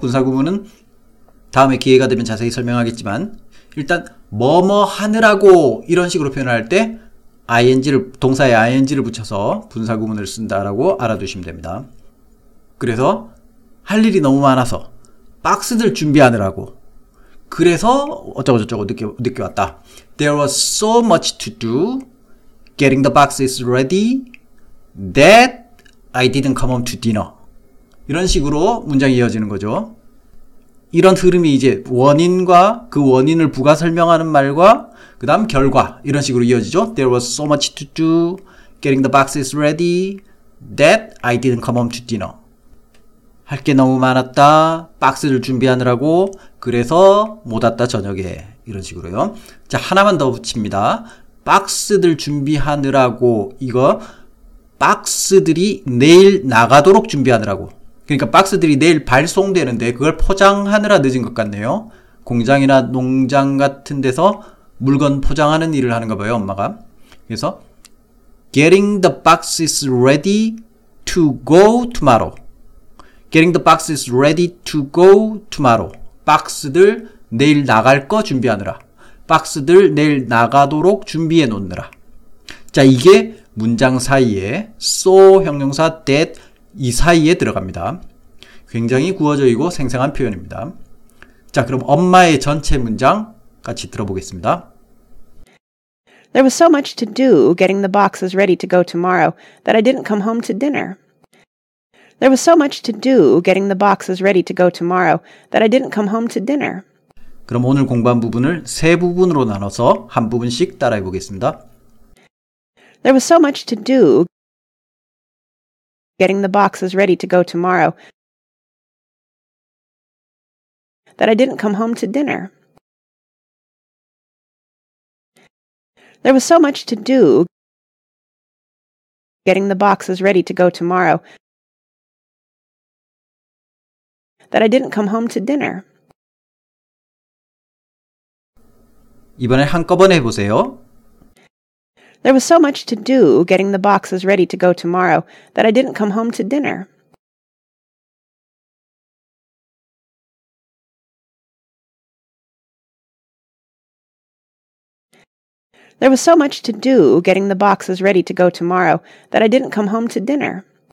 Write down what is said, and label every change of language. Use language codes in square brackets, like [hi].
[ko] 분사구문은 다음에 기회가 되면 자세히 설명하겠지만 일단 뭐뭐 하느라고 이런 식으로 표현할 때 ing를 동사에 ing를 붙여서 분사구문을 쓴다라고 알아두시면 됩니다. 그래서 할 일이 너무 많아서 박스들 준비하느라고 그래서 어쩌고 저쩌고 늦게 왔다. [en] There was so much to do. Getting the boxes ready. That I didn't come home to dinner. [ko] 이런 식으로 문장이 이어지는 거죠. 이런 흐름이 이제 원인과 그 원인을 부가 설명하는 말과 그 다음 결과 이런 식으로 이어지죠. [en] There was so much to do, getting the boxes ready, that I didn't come home to dinner. [ko] 할 게 너무 많았다, 박스를 준비하느라고, 그래서 못 왔다 저녁에. 이런 식으로요. 자, 하나만 더 붙입니다. 박스들 준비하느라고, 이거 박스들이 내일 나가도록 준비하느라고. 그러니까 박스들이 내일 발송되는데 그걸 포장하느라 늦은 것 같네요. 공장이나 농장 같은 데서 물건 포장하는 일을 하는가 봐요, 엄마가. 그래서 [en] getting the boxes ready to go tomorrow. getting the boxes ready to go tomorrow. [ko] 박스들 내일 나갈 거 준비하느라. 박스들 내일 나가도록 준비해 놓느라. 자, 이게 문장 사이에 so 형용사 that 이 사이에 들어갑니다. 굉장히 구어적이고 생생한 표현입니다. 자, 그럼 엄마의 전체 문장 같이 들어보겠습니다. [en] There was so much to do getting the boxes ready to go tomorrow that I didn't come home to dinner. There was so much to do getting the boxes ready to go tomorrow that I didn't come home to dinner. [ko] 그럼 오늘 공부한 부분을 세 부분으로 나눠서 한 부분씩 따라해 보겠습니다. [en] There was so much to do getting the boxes ready to go tomorrow that I didn't come home to dinner. There was so much to do getting the boxes ready to go tomorrow that I didn't come home to dinner. [ko] 이번에 한꺼번에 해보세요. [en] There was so much to do getting the boxes ready to go tomorrow that I didn't come home to dinner. There was so much to do getting the boxes ready to go tomorrow that I didn't come home to dinner.